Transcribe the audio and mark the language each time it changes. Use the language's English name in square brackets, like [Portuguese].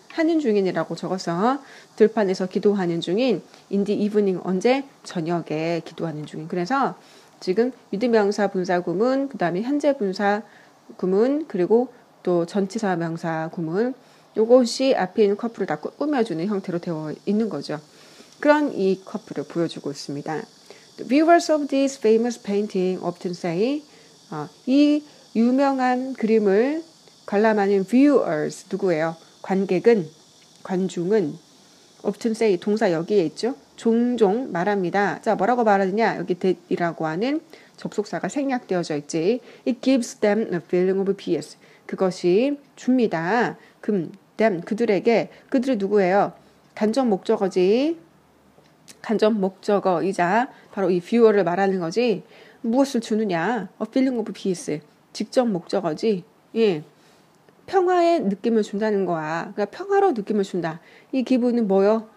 [Korean] 하는 중인이라고 적어서 들판에서 기도하는 중인 [English] in the evening [Korean] 언제 저녁에 기도하는 중인 그래서 지금 with 명사 분사 구문 그다음에 현재 분사 구문 그리고 또 전치사 명사 구문 요것이 앞에 있는 커플을 다 꾸며주는 형태로 되어 있는 거죠. 그런 이 커플을 보여주고 있습니다. [English] Viewers of this famous painting often say [Korean] 이 유명한 그림을 관람하는 viewers 누구예요? 관객은 관중은 [English] often say [Korean] 동사 여기에 있죠? 종종 말합니다. 자, 뭐라고 말하느냐? 여기 that이라고 하는 접속사가 생략되어져 있지. [English] It gives them a feeling of peace. [Korean] 그것이 줍니다. 그럼 them 그들에게 그들이 누구예요? 단적 목적어지 간접 목적어이자 바로 이 viewer를 말하는 거지 무엇을 주느냐 [English] A feeling of peace [Korean] 직접 목적어지 예. 평화의 느낌을 준다는 거야 그러니까 평화로 느낌을 준다 이 기분은 뭐요?